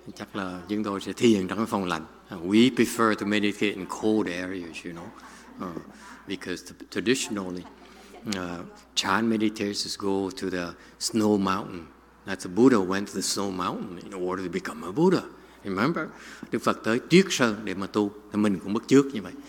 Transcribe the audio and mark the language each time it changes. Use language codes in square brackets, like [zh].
[vi] Chắc là chúng tôi sẽ thiền trong cái phòng lạnh. [en] We prefer to meditate in cold areas, you know, because traditionally, Chan meditators go to the snow mountain. That's the Buddha went to the snow mountain in order to become a Buddha. [vi] Remember, Đức Phật tới tuyết sơn để mà tu, thì mình cũng bắt chước như vậy.